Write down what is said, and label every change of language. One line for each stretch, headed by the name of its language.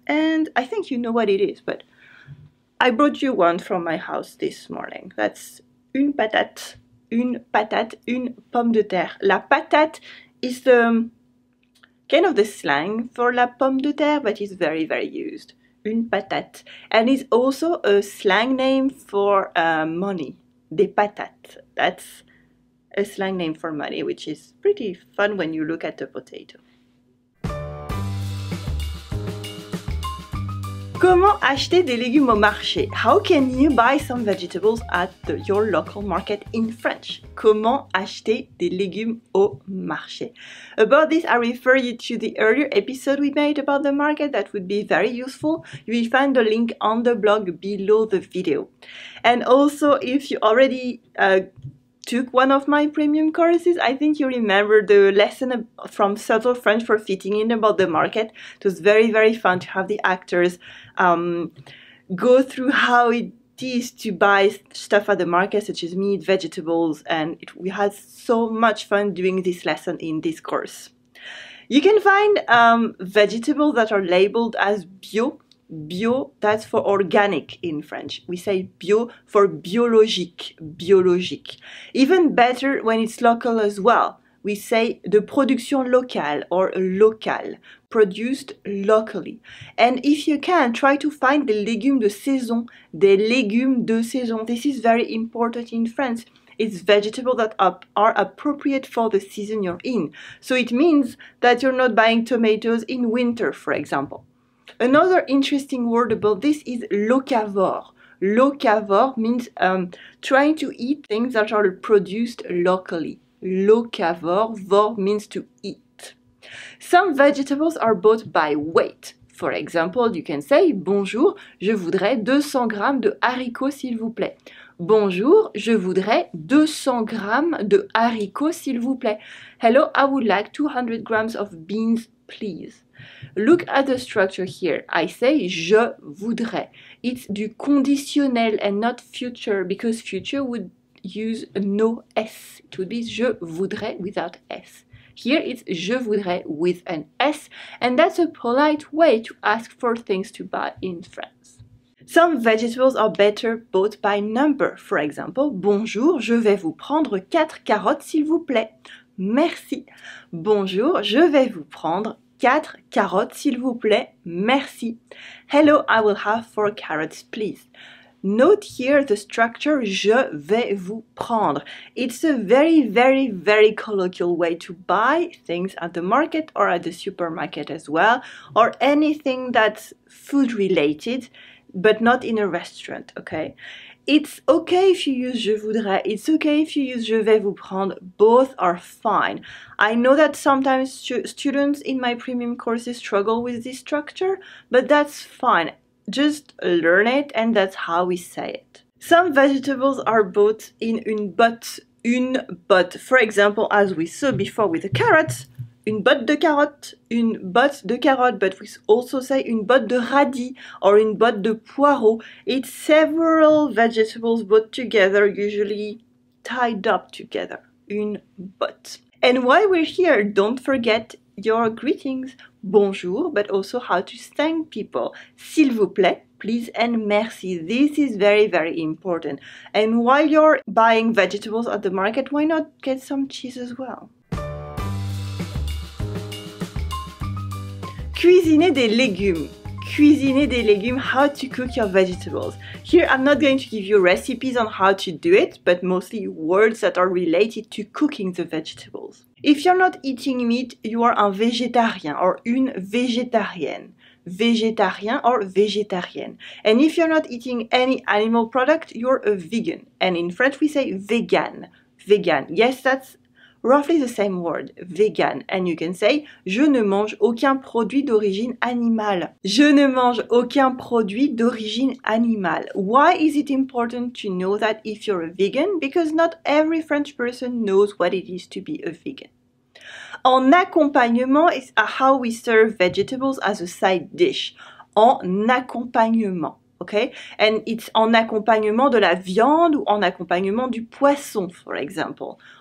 English: And I think you know what it is, but I brought you one from my house this morning. That's
French: une patate, une pomme de terre. La patate
English: is the kind of the slang for
French: la pomme de terre,
English: but it's very, very used.
French: Une patate.
English: And it's also a slang name for money.
French: Des patates.
English: That's a slang name for money, which is pretty fun when you look at a potato.
French: Comment acheter des légumes au marché?
English: How can you buy some vegetables at your local market in French?
French: Comment acheter des légumes au marché?
English: About this, I refer you to the earlier episode we made about the market. That would be very useful. You will find the link on the blog below the video. And also, if you already took one of my premium courses, I think you remember the lesson from Subtle French for Fitting In about the market. It was very, very fun to have the actors go through how it is to buy stuff at the market, such as meat, vegetables, and we had so much fun doing this lesson in this course. You can find vegetables that are labeled as bio. Bio, that's for organic in French. We say bio for biologique, biologique. Even better when it's local as well. We say
French: de production locale
English: or locale, produced locally. And if you can, try to find
French: des légumes de saison, des légumes de saison.
English: This is very important in France. It's vegetables that are appropriate for the season you're in. So it means that you're not buying tomatoes in winter, for example. Another interesting word about this is locavore. Locavore means trying to eat things that are produced locally. Locavore, vore means to eat. Some vegetables are bought by weight. For example, you can say,
French: Bonjour, je voudrais 200 grammes de haricots, s'il vous plaît. Bonjour, je voudrais 200 grammes de haricots, s'il vous plaît.
English: Hello, I would like 200 grams of beans, please. Look at the structure here. I say je voudrais. It's du conditionnel and not future because future would use no s. It would be
French: je voudrais
English: without s. Here it's je voudrais with an s, and that's a polite way to ask for things to buy in France. Some vegetables are better bought by number. For example,
French: bonjour, je vais vous prendre 4 carottes, s'il vous plaît. Merci. Bonjour, je vais vous prendre 4 carottes, s'il vous plaît. Merci.
English: Hello, I will have 4 carrots, please. Note here the structure
French: je vais vous prendre.
English: It's a very, very, very colloquial way to buy things at the market or at the supermarket as well, or anything that's food related, but not in a restaurant, okay? It's okay if you use
French: je voudrais,
English: it's okay if you use
French: je vais vous prendre,
English: both are fine. I know that sometimes students in my premium courses struggle with this structure, but that's fine. Just learn it and that's how we say it. Some vegetables are bought in
French: une botte. For example, as we saw before with the carrots, une botte de carottes,
English: une botte de carottes, but we also say
French: une botte de radis
English: or
French: une botte de poireau.
English: It's several vegetables bought together, usually tied up together. Une botte. And while we're here, don't forget your greetings. Bonjour, but also how to thank people. S'il vous plaît, please, and merci. This is very, very important. And while you're buying vegetables at the market, why not get some cheese as well?
French: Cuisiner des légumes. Cuisiner des légumes,
English: how to cook your vegetables. Here I'm not going to give you recipes on how to do it, but mostly words that are related to cooking the vegetables. If you're not eating meat, you are un végétarien or une végétarienne. Végétarien or végétarienne. And if you're not eating any animal product, you're a vegan. And in French we say vegan. Vegan. Yes, that's roughly the same word, vegan. And you can say,
French: je ne mange aucun produit d'origine animale. Je ne mange aucun produit d'origine animale.
English: Why is it important to know that if you're a vegan? Because not every French person knows what it is to be a vegan.
French: En accompagnement
English: is how we serve vegetables as a side dish.
French: En accompagnement.
English: Okay, and it's
French: en accompagnement de la viande ou en accompagnement du poisson,
English: for example.